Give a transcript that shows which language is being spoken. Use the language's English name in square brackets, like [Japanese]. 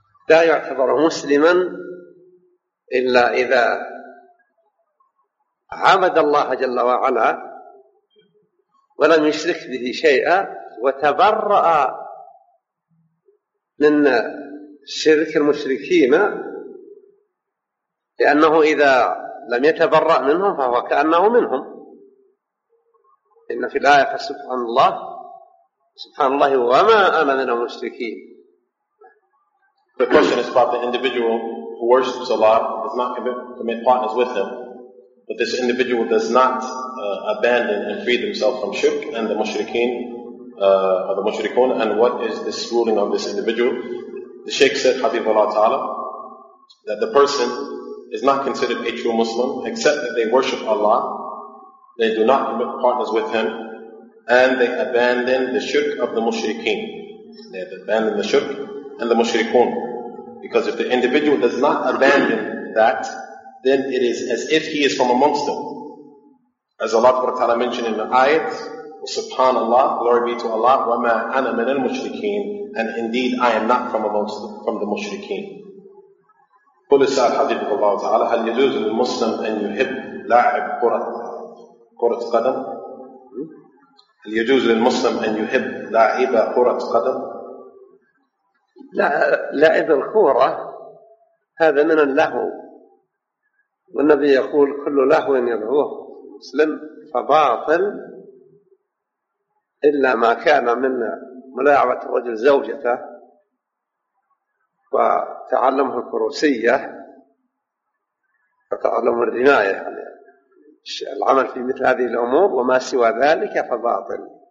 [Arabic] لا يعتبر مسلما إلا إذا عبد الله جل وعلا ولم يشرك به شيئا وتبرأ من شرك المشركين، لأنه إذا لم يتبرأ منهم فهو كأنه منهم. إن في الآية سبحان الله وما أنا من المشركين. [English] The question is about the individual who worships Allah, does not commit partners with him, but this individual does not abandon and free themselves from shirk and the mushrikeen, or the mushrikun, and what is this ruling of this individual? The Shaykh said, Habibullah Ta'ala, that the person is not considered a true Muslim except that they worship Allah, they do not commit partners with him, and they abandon the shirk of the mushrikeen. They have abandoned the shirk and the mushrikun. Because if the individual does not abandon that, then it is as if he is from amongst them. As Allah Ta'ala mentioned in the ayat, Subhanallah, glory be to Allah, wa ma ana min al-mushrikeen, and indeed I am not from the mushrikeen. [Arabic] قل السائل حفظك الله تعالى هل يجوز للمسلم أن يحب لاعب كرة قدم؟ هل يجوز للمسلم أن يحب لاعب كرة قدم؟ لاعب الكورة هذا من اللهو، والنبي يقول كل لهو يلهوه مسلم فباطل إلا ما كان من ملاعبة الرجل زوجته وتعلمه الكروسية وتعلم الرماية، يعني العمل في مثل هذه الأمور وما سوى ذلك فباطل.